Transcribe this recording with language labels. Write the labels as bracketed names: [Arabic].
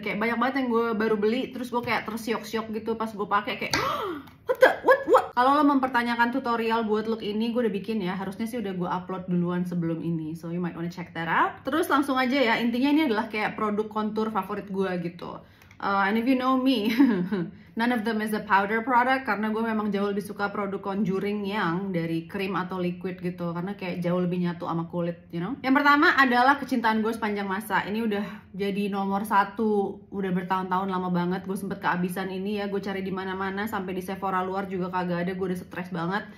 [Indonesian] Kayak banyak banget yang gue baru beli, terus gue kayak tersiok-siok gitu pas gue pakai kayak [English] what the? [Indonesian] Kalau lo mempertanyakan tutorial buat look ini, gue udah bikin ya. Harusnya sih udah gue upload duluan sebelum ini. [English] So you might wanna check that out. [Indonesian] Terus langsung aja ya, intinya ini adalah kayak produk contour favorit gue gitu. [English] And if you know me, none of them is a powder product. [Indonesian] Karena gue memang jauh lebih suka produk contouring yang dari krim atau liquid gitu. Karena kayak jauh lebih nyatu sama kulit, [English] you know. [Indonesian] Yang pertama adalah kecintaan gue sepanjang masa. Ini udah jadi nomor satu, udah bertahun-tahun, lama banget. Gue sempet kehabisan ini ya, gue cari di mana-mana. Sampai di Sephora luar juga kagak ada, gue udah stres banget.